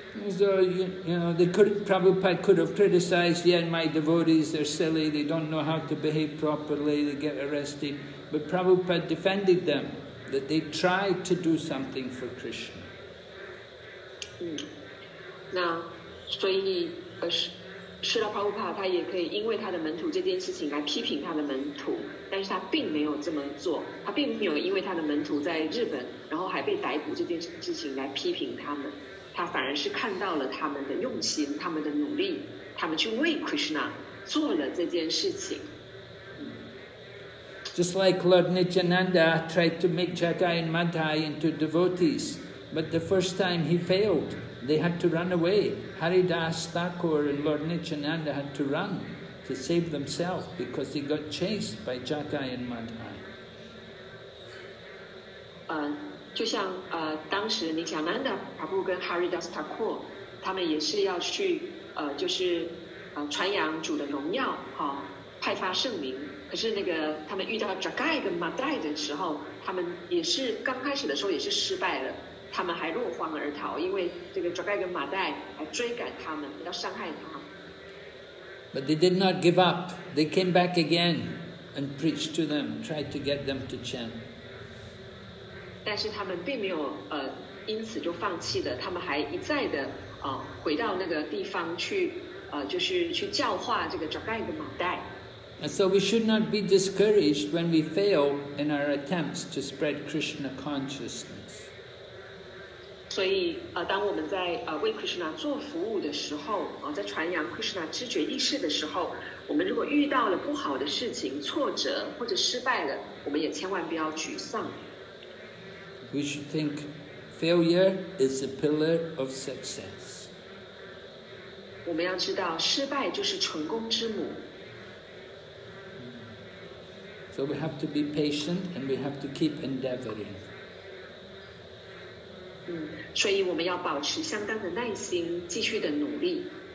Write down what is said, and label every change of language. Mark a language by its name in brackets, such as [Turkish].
[English] So you know, the Prabhupada could have criticized, yeah, my devotees, they're silly, they don't know how to behave properly, they get arrested. But Prabhupada defended them, that they tried to do something for Krishna. [Chinese] 那所以Srila Prabhupada 他也可以因为他的门徒这件事情来批评他的门徒，但是他并没有这么做，他并没有因为他的门徒在日本然后还被逮捕这件事情来批评他们，他反而是看到了他们的用心，他们的努力，他们去为 Krishna 做了这件事情。 [English] Just like Lord Nityananda tried to make Jagai and Madhai into devotees, but the first time he failed. They had to run away. Haridas Thakur and Lord Nityananda had to run to save themselves because they got chased by Jagai and Madhai. [Chinese] 就像当时尼贾南达·帕布跟哈里达斯·塔库，他们也是要去就是传扬主的荣耀，派发圣灵。可是那个他们遇到扎盖跟马代的时候，他们也是刚开始的时候也是失败了，他们还落荒而逃，因为这个扎盖跟马代还追赶他们，要伤害他们。 [English] But they did not give up. They came back again and preached to them, tried to get them to chant. [Chinese] 但是他们并没有因此就放弃了，他们还一再的回到那个地方去就是去教化这个扎盖跟马代。 [English] And so we should not be discouraged when we fail in our attempts to spread Krishna consciousness. [Chinese] 所以当我们在为 Krishna 做服务的时候，在传扬 Krishna 知觉意识的时候，我们如果遇到了不好的事情、挫折或者失败了，我们也千万不要沮丧。 [English] We should think failure is a pillar of success. [Chinese] 我们要知道失败就是成功之母。 [English] So we have to be patient and we have to keep endeavoring. [Chinese] 所以我们要保持相当的耐心，继续的努力。